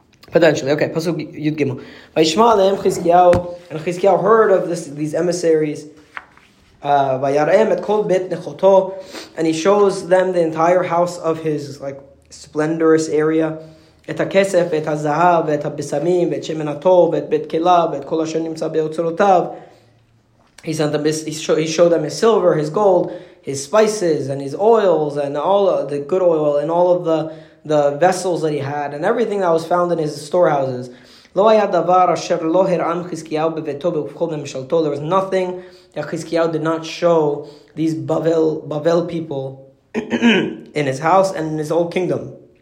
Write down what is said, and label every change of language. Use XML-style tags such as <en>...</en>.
<en>Potentially. Okay, Pasuk Yud Gimel.</en> <he>Vayishma aleihem Chizkiyahu,</he> <en>and Chizkiyahu heard of these emissaries.</en> <he>Vayareihem et kol beit nechoto,</he> <en>and he shows them the entire house of his like splendorous area.</en> <he>את הכסף, את הזהב, את הבשמים, את שמן הטוב, את בית כליו, את כל אשר נמצא באוצרותיו.</he> <en>He showed them his silver, his gold, his spices, and his oils, and all the good oil, and all of the vessels that he had, and everything that was found in his storehouses.</en> <he>לא היה דבר אשר לא הראה חזקיהו בביתו ובכל ממשלתו.</he> <en>There was nothing that Chizkiyahu did not show these Bavel people in his house and in his whole kingdom.</en>